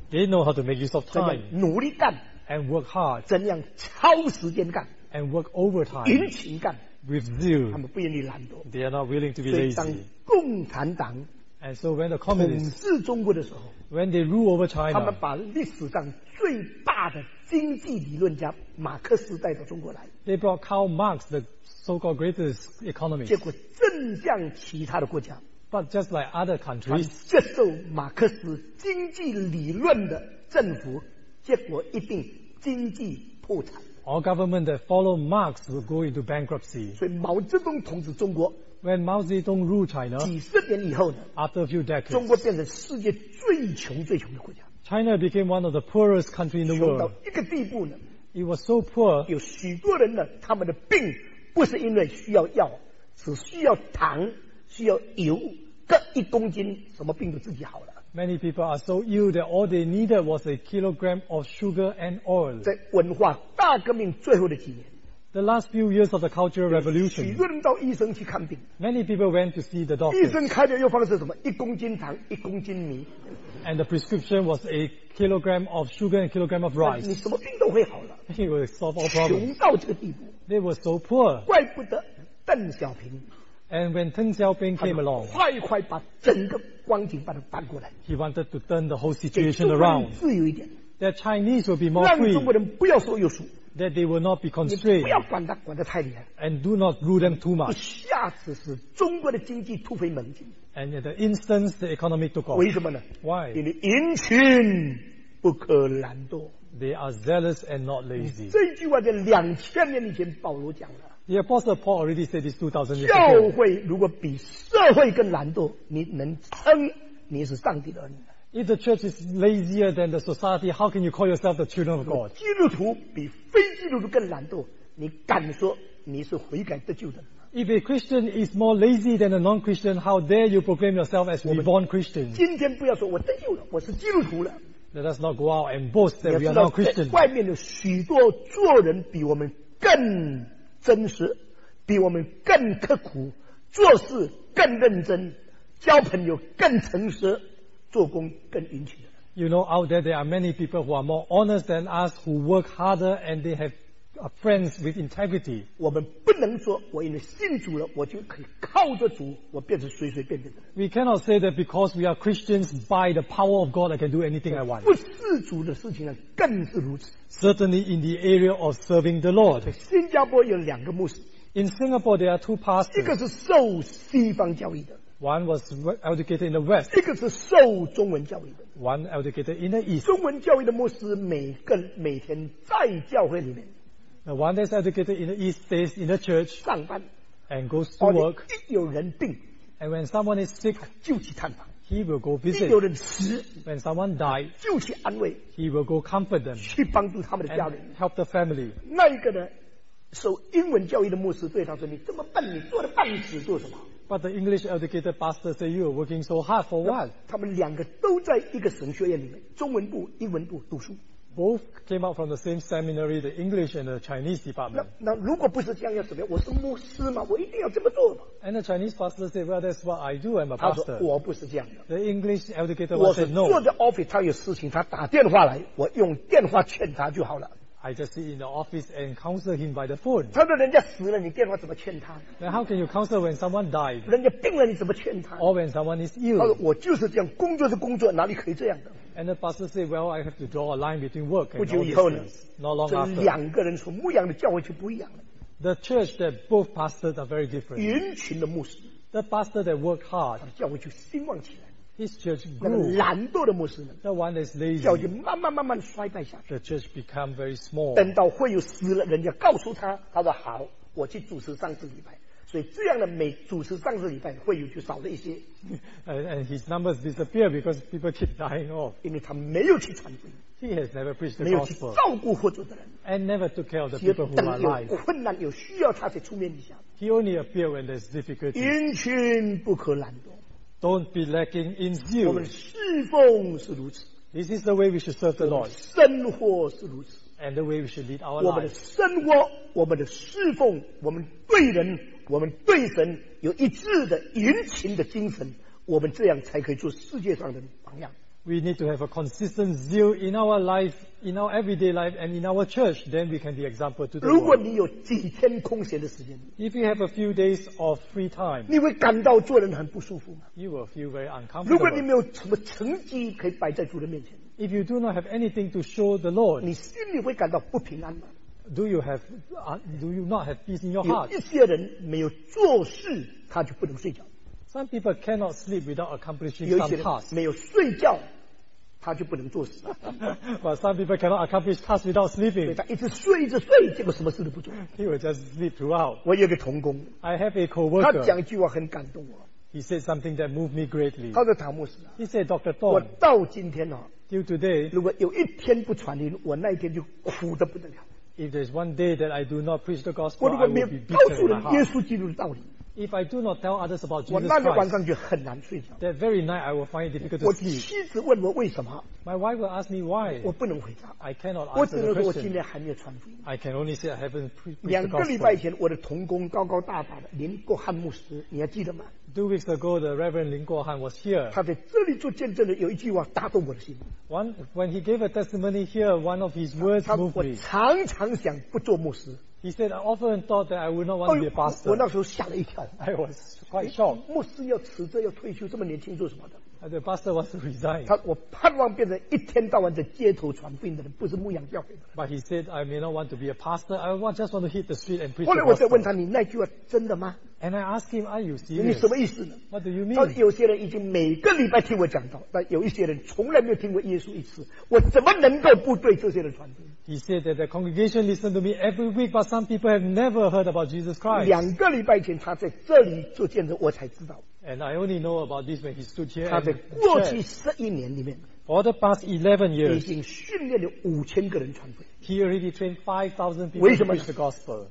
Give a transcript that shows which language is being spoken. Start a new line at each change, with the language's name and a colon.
English: They know how to make use of time.
Chinese: 怎样努力干
English: ，and work hard.
Chinese: 怎样超时间干
English: ，and work overtime.
Chinese: 殷勤干。
English: With zeal,
Chinese: 他们不愿意懒惰。
English: They are not willing to be lazy.
Chinese: 所以当共产党
English: and so when the communists
Chinese: 统治中国的时候
English: when they rule over China,
Chinese: 他们把历史上最大的经济理论家马克思带到中国来。
English: They brought Karl Marx, the so-called greatest economist.
Chinese: 结果正向其他的国家
English: but just like other countries,
Chinese: 接受马克思经济理论的政府，结果一定经济破产。
English: All government that follow Marx will go into bankruptcy.
Chinese: 所以毛泽东统治中国。
English: When Mao Zedong ruled China,
Chinese: 几十年以后呢
English: ？After a few decades,
Chinese: 中国变成世界最穷最穷的国家。
English: China became one of the poorest country in the world.
Chinese: 穷到一个地步呢
English: ？It was so poor.
Chinese: 有许多人呢，他们的病不是因为需要药，只需要糖，需要油，各一公斤，什么病都自己好了。
English: Many people are so ill that all they needed was a kilogram of sugar and oil.
Chinese: 在文化大革命最后的几年
English: ，The last few years of the Cultural Revolution.
Chinese: 许多人到医生去看病。
English: Many people went to see the doctor.
Chinese: 医生开的药方是什么？一公斤糖，一公斤米。
English: And the prescription was a kilogram of sugar and a kilogram of rice.
Chinese: 你什么病都会好了。
English: He would solve all problems.
Chinese: 穷到这个地步。
English: They were so poor.
Chinese: 怪不得邓小平。
English: And when Deng Xiaoping came along,
Chinese: 快快把整个光景把它搬过来。
English: He wanted to turn the whole situation around.
Chinese: 自由一点。
English: That Chinese will be more free.
Chinese: 让中国人不要说有数。
English: That they will not be constrained.
Chinese: 你不要管他，管得太厉害。
English: And do not rule them too much.
Chinese: 一下子是中国的经济突飞猛进。
English: And at the instant, the economy took off.
Chinese: 为什么呢
English: ？Why?
Chinese: 因为殷勤不可懒惰。
English: They are zealous and not lazy.
Chinese: 这句话在2000年以前保罗讲了。
English: The Apostle Paul already said this 2,000 years ago.
Chinese: 教会如果比社会更懒惰，你能称你是上帝的儿女
English: ？If the church is lazier than the society, how can you call yourself the children of God?
Chinese: 基督徒比非基督徒更懒惰，你敢说你是悔改得救的
English: ？If a Christian is more lazy than a non-Christian, how dare you proclaim yourself as reborn Christian?
Chinese: 今天不要说我得救了，我是基督徒了。
English: Let us not go out and boast that we are not Christian.
Chinese: 外面的许多做人比我们更。真实比我们更刻苦做事更认真交朋友更诚实做工更殷勤
English: You know out there there are many people who are more honest than us who work harder and they have friends with integrity
Chinese: 我们不能说我因为信主了我就可以靠着主我变成随随便便的
English: We cannot say that because we are Christians by the power of God I can do anything I want
Chinese: 不是主的事情更是如此
English: Certainly in the area of serving the Lord.
Chinese: 新加坡有两个牧师。
English: In Singapore, there are two pastors.
Chinese: 一个是受西方教育的。
English: One was educated in the West.
Chinese: 一个是受中文教育的。
English: One educated in the East.
Chinese: 中文教育的牧师每天在教会里面。
English: The one that's educated in the East stays in the church.
Chinese: 上班。
English: And goes to work.
Chinese: 一有人病。
English: And when someone is sick,
Chinese: 就去探访。
English: He will go visit.
Chinese: 第六人死
English: when someone died,
Chinese: 就去安慰。
English: He will go comfort them.
Chinese: 去帮助他们的家人。
English: Help the family.
Chinese: 那一个呢？受英文教育的牧师对他说：“你这么笨，你做了半死做什么？”
English: But the English educated pastor said, "You are working so hard for what?"
Chinese: 他们两个都在一个神学院里面，中文部、英文部读书。
English: Both came out from the same seminary, the English and the Chinese department.
Chinese: 那如果不是这样要怎么样？我是牧师嘛，我一定要这么做嘛。
English: And the Chinese pastor said, "Well, that's what I do. I'm a pastor."
Chinese: 他说我不是这样的。
English: The English educated one said, "No."
Chinese: 我是坐在 office， 他有事情，他打电话来，我用电话劝他就好了。
English: I just sit in the office and counsel him by the phone.
Chinese: 他说人家死了，你电话怎么劝他？
English: Then how can you counsel when someone died?
Chinese: 人家病了，你怎么劝他？
English: Or when someone is ill.
Chinese: 他说我就是这样，工作是工作，哪里可以这样的？
English: And the pastor said, "Well, I have to draw a line between work and ministry."
Chinese: 不久以后呢？
English: Not long after.
Chinese: 这两个人从牧养的教会就不一样了。
English: The church that both pastors are very different.
Chinese: 殷勤的牧师。
English: The pastor that work hard.
Chinese: 他的教会就兴旺起来。
English: His church grew.
Chinese: 那个懒惰的牧师呢？
English: The one that's lazy.
Chinese: 教会慢慢慢慢衰败下去。
English: The church become very small.
Chinese: 等到会友死了，人家告诉他，他说好，我去主持上次礼拜。所以这样的每主持上次礼拜，会友就少了一些。
English: And his numbers disappear because people keep dying off.
Chinese: 因为他没有去传福音。
English: He has never preached the gospel.
Chinese: 没有去照顾活着的人。
English: And never took care of the people who are alive.
Chinese: 有困难有需要，他才出面一下。
English: He only appear when there's difficulty.
Chinese: 殷勤不可懒惰。
English: Don't be lacking in zeal.
Chinese: 我们侍奉是如此。
English: This is the way we should serve the Lord.
Chinese: 生活是如此。
English: And the way we should lead our lives.
Chinese: 我们的生活，我们的侍奉，我们对人，我们对神有一致的殷勤的精神，我们这样才可以做世界上的榜样。
English: We need to have a consistent zeal in our life, in our everyday life, and in our church. Then we can be example to the world.
Chinese: 如果你有几天空闲的时间，
English: if you have a few days of free time,
Chinese: 你会感到做人很不舒服吗？
English: You will feel very uncomfortable.
Chinese: 如果你没有什么成绩可以摆在主的面前，
English: if you do not have anything to show the Lord,
Chinese: 你心里会感到不平安吗？
English: Do you not have peace in your heart?
Chinese: 有一些人没有做事，他就不能睡觉。
English: Some people cannot sleep without accomplishing some task.
Chinese: 有些人没有睡觉，他就不能做事。
English: But some people cannot accomplish task without sleeping.
Chinese: 他一直睡，一直睡，结果什么事都不做。
English: He will just sleep throughout.
Chinese: 我有个同工。
English: I have a co-worker.
Chinese: 他讲一句话很感动我。
English: He said something that moved me greatly.
Chinese: 他说唐牧师。
English: He said, Dr. Thorn.
Chinese: 我到今天哦。
English: Till today.
Chinese: 如果有一天不传音，我那一天就苦得不得了。
English: If there's one day that I do not preach the gospel,
Chinese: 我如果没有告诉人耶稣基督的道理。
English: If I do not tell others about Jesus
Chinese: Christ, 我那个晚上就很难睡觉。
English: That very night I will find it difficult to sleep.
Chinese: 我妻子问我为什么。
English: My wife will ask me why.
Chinese: 我不能回答。
English: I cannot answer the question.
Chinese: 我只能说我今天还没有传福音。
English: I can only say I haven't preached the gospel.
Chinese: 两个礼拜前，我的同工高高大大的林国汉牧师，你还记得吗？
English: 2 weeks ago, the Reverend 林国汉 was here.
Chinese: 他在这里做见证的有一句话打动我的心。
English: When he gave a testimony here, one of his words moved me.
Chinese: 我常常想不做牧师。
English: He said, I often thought that I would not want to be a pastor.
Chinese: 我那时候吓了一跳。
English: I was quite shocked.
Chinese: 牧师要辞职要退休，这么年轻做什么的？
English: The pastor wants to resign.
Chinese: 他我盼望变成一天到晚在街头传福音的人，不是牧养教会的。
English: But he said, I may not want to be a pastor. I just want to hit the street and preach.
Chinese: 后来我再问他，你那句话真的吗？
English: And I asked him, are you serious?
Chinese: 你什么意思呢？
English: What do you mean?
Chinese: 有些人已经每个礼拜听我讲道，但有一些人从来没有听过耶稣一次，我怎么能够不对这些人传福音？
English: He said that the congregation listened to me every week, but some people have never heard about Jesus Christ.
Chinese: 两个礼拜前他在这里做见证，我才知道。
English: And I only know about this when he stood here.
Chinese: 他在过去十一年里面
English: ，for the past 11 years,
Chinese: 已经训练了5000个人传福音。
English: He already trained 5,000 people to preach the gospel.